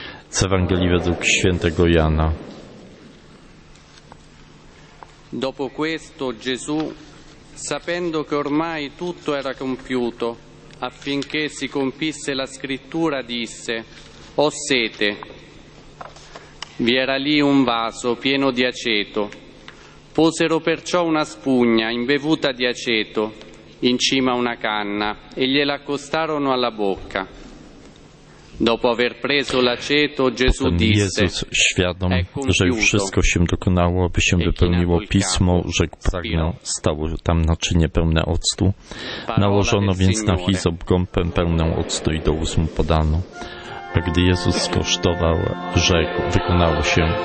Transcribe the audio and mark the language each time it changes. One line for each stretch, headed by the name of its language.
Polish: Z Ewangelii według świętego Jana.
Italian: Dopo questo Gesù sapendo che ormai tutto era compiuto, affinché si compisse la scrittura, disse: «Ho sete». Vi era lì un vaso pieno di aceto. Posero perciò una spugna imbevuta di aceto in cima a una canna e gliela accostarono alla bocca. Dopo aver preso l'aceto, Gesù disse:
Polish: Jezus, świadom, że wszystko się dokonało, aby się wypełniło pismo, rzekł: pragnę. Stało tam naczynie pełne octu. Nałożono więc na hizop gąbę pełną octu i do ust mu podano. A gdy Jezus skosztował, rzekł: wykonało się.